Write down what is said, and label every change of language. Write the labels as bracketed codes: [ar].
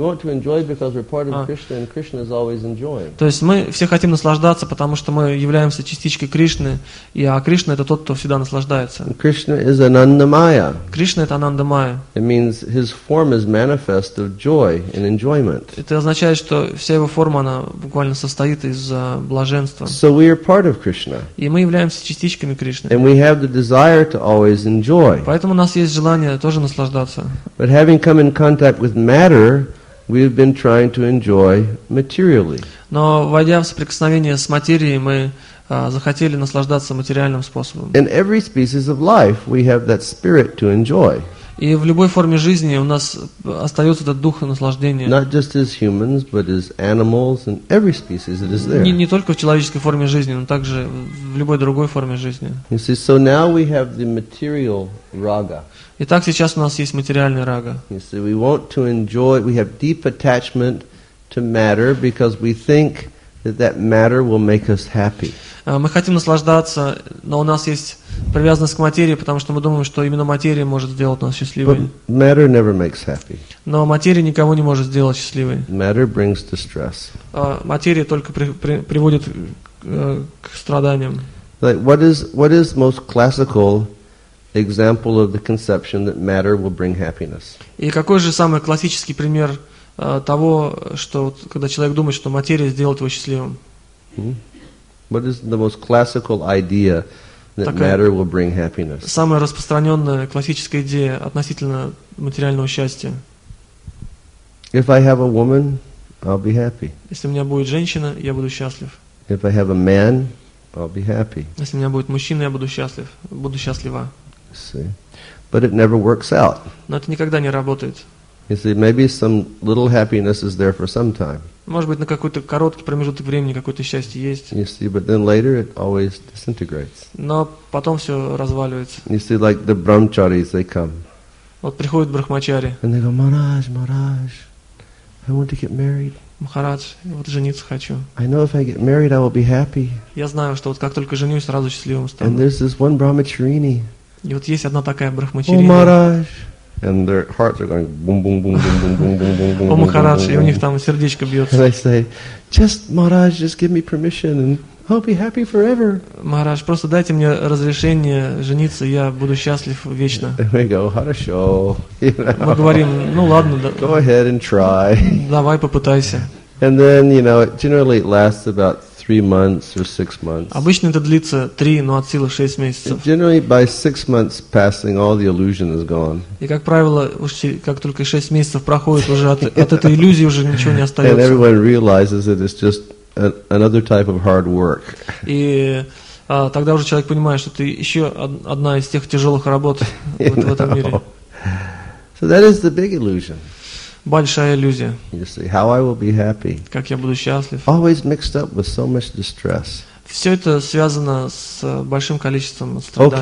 [en] want to enjoy because we're part of Krishna, and Krishna is always enjoying. [ru] То есть мы все хотим наслаждаться, потому что мы являемся частичкой Кришны, и Кришна — это тот, кто всегда наслаждается. [en] Krishna is Anandamaya. [ru] Кришна — это Анандамая. [en] It means his form is manifest of joy and enjoyment. [ru] Это означает, что вся его форма, она буквально состоит из блаженства. [en] So we are part of Krishna. [ru] И мы являемся частичками Кришны. [en] And we have the desire to always enjoy. [ru] Поэтому у нас есть желание тоже наслаждаться. [en] But having come in contact with matter, we've been trying to enjoy materially. [ru] Но войдя в соприкосновение с материей, мы захотели наслаждаться материальным способом. [en] In every species of life, we have that spirit to enjoy. [ru] И в любой форме жизни у нас остается этот дух наслаждения. [en] Not just as humans, but as animals and every species that is there. [ru] Не только в человеческой форме жизни, но также в любой другой форме жизни. [en] You see, so now we have the material raga. [ru] Итак, сейчас у нас есть материальная рага. [en] You see, we want to enjoy. We have deep attachment to matter because we think that matter will make us happy. [ru] Мы хотим наслаждаться, но у нас есть привязанность к материи, потому что мы думаем, что именно материя может сделать нас счастливыми. [en] But matter never makes happy. [ru] Но материя никого не может сделать счастливой. [en] Matter brings distress. [ru] Материя только приводит к страданиям. [en] Like what is most classical example of the conception that matter will bring happiness? [ru] И какой же самый классический пример того, что вот, когда человек думает, что материя сделает его счастливым? [en] What is the most classical idea that matter will bring happiness? [ru] Самая распространенная классическая идея относительно материального счастья. [en] If I have a woman, I'll be happy. [ru] Если у меня будет женщина, я буду счастлив. [en] If I have a man, I'll be happy. [ru] Если у меня будет мужчина, я буду счастлив. Буду счастлива. [en] See? But it never works out. [ru] Но это никогда не работает. [en] You see, maybe some little happiness is there for some time. [ru] Может быть, на какой-то короткий промежуток времени какое-то счастье есть. [en] You see, but then later it always disintegrates. [ru] Но потом все разваливается. [en] You see, like the brahmacharis, they come. [ru] Вот приходят брахмачари. [en] And they go, Maharaj, Maharaj, I want to get married. [ru] Махарадж, вот жениться хочу. [en] I know if I get married, I will be happy. [ru] Я знаю, что вот как только женюсь, сразу счастливым стану. [en] And there's this one brahmacharini. [ru] И вот есть одна такая брахмачарини. [en] Oh, Maharaj. And their hearts are going boom boom boom boom boom boom boom boom boom. [ru] О, Махарадж, и у них там сердечко бьется. [en] And I say, just Maharaj, just give me permission, and I'll be happy forever. [ru] Махарадж, просто дайте мне разрешение жениться, я буду счастлив вечно. [en] And we go, [ru] хорошо. [en] You know. [ru] Мы говорим, ну ладно. [en] Go ahead and try. [ru] Давай попытайся. [en] And then, you know, generally it lasts about 3 months or 6 months. [ru] Обычно это длится 3, но от силы 6 месяцев. [en] And generally, by 6 months passing, all the illusion is gone. [ru] И как правило, как только 6 месяцев проходит, уже от этой иллюзии уже ничего не остается. [en] And everyone realizes that it's just another type of hard work. [ru] И тогда уже человек понимает, что это еще одна из тех тяжелых работ в этом мире. [en] So that is the big illusion. [ru] Большая иллюзия. [en] You see, how I will be happy. [ru] Как я буду счастлив. [en] Always mixed up with so much distress. [ru] Все это связано с большим количеством страданий.